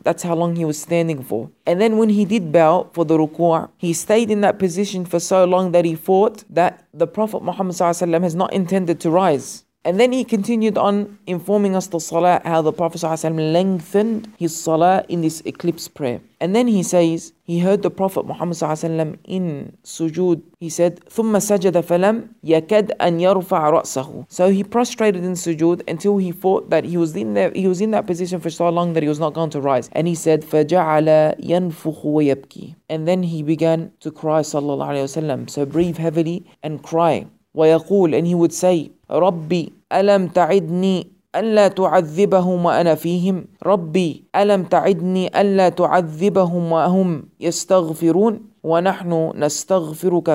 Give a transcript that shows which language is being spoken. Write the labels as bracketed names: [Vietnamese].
[English] That's how long he was standing for. And then when he did bow for the ruku'ah, he stayed in that position for so long that he thought that the Prophet Muhammad sallallahu alaihi wasallam has not intended to rise. And then he continued on informing us the salah, how the Prophet sallallahu alaihi wasallam lengthened his salah in this eclipse prayer. And then he says, he heard the Prophet Muhammad sallallahu alaihi wasallam in sujood. [Arabic] He said, ثُمَّ سَجَدَ فَلَمْ يَكَدْ أَنْ يَرْفَعْ رَأْسَهُ. [English] So he prostrated in sujood until he thought that he was in that position for so long that he was not going to rise. And he said, [Arabic] فَجَعَلَ يَنْفُخُ وَيَبْكِي. [English] And then he began to cry sallallahu alaihi wasallam. So breathe heavily and cry. [Arabic] وَيَقُولُ, [English] and he would say, [Arabic] رَبِّ أَلَمْ تَعِدْنِي ألا تعذبهم وأنا فيهم؟ ربي ألم تعدني ألا تعذبهم وهم يستغفرون؟ ونحن نستغفرك.